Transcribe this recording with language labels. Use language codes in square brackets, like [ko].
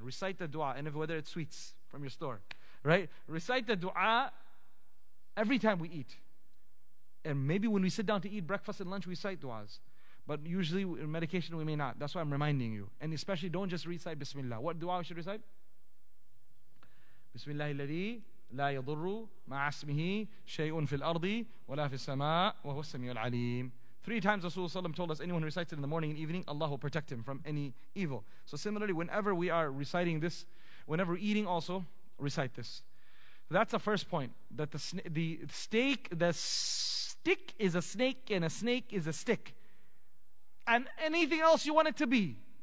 [en] Recite the dua, and if, whether it's sweets from your store, right? Recite the dua every time we eat, and maybe when we sit down to eat breakfast and lunch, we recite duas. But usually in medication, we may not. That's why I'm reminding you, and especially don't just recite Bismillah. What dua we should recite? [ar] Bismillah alladhi لا يضر مع اسمه شيء في الأرض ولا في السماء وهو السميع العليم. [en] Three times Rasulullah SAW told us anyone who recites it in the morning and evening, Allah will protect him from any evil. So similarly, whenever we are reciting this, whenever we're eating also, recite this. That's the first point, that the stick is a snake and a snake is a stick. And anything else you want it to be,